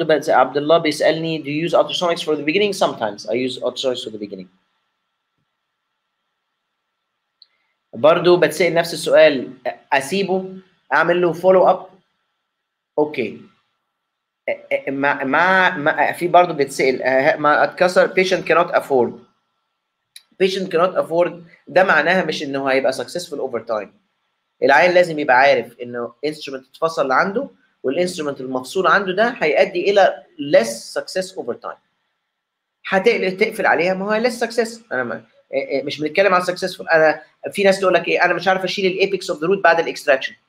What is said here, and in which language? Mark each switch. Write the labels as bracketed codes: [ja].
[en] Abdullah [ar] بيسألني, [en] do you use ultrasonics for the beginning? Sometimes I use ultrasonics for the beginning. [ar] برضو بتسأل نفس السؤال, أسيبه أعمل له follow up؟ Okay. ما في برضو بتسأل ما اتكسر, [en] patient cannot afford. [ar] Patient cannot afford, ده معناها مش إنه هيبقى successful over time. العيان لازم يبقى عارف إنه instrument اتفصل عنده والinstrument المفصول عنده ده هيؤدي إلى [en] less success over time. [ar] هتقفل عليها, ما هو less success. أنا ما مش بنتكلم عن successful. أنا في ناس تقول لك إيه, أنا مش عارف أشيل الـ [en] apex of the root [ar] بعد الـ extraction.